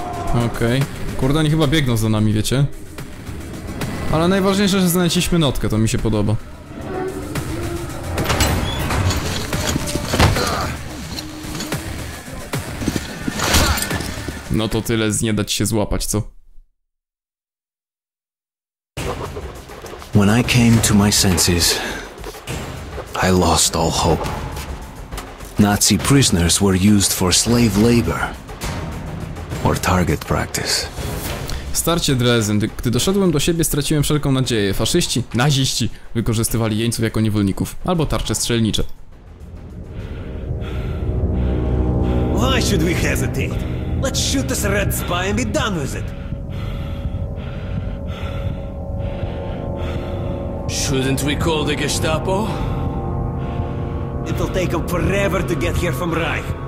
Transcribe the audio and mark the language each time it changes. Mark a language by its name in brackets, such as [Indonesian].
[Polish] Okej, okay. Kurde, oni chyba biegną za nami, wiecie? Ale najważniejsze, że znaleźliśmy notkę, to mi się podoba. No to tyle z nie dać się złapać, co? [English] When I came to my senses, I lost all hope. Nazi prisoners were used for slave labor or target practice. [Polish] Starcie Dresden, gdy doszedłem do siebie, straciłem wszelką nadzieję. Faszyści, naziści wykorzystywali jeńców jako niewolników albo tarcze strzelnicze. [English] Why should we hesitate? Let's shoot this red spy and be done with it. Shouldn't we call the Gestapo? It'll take them forever to get here from Reich.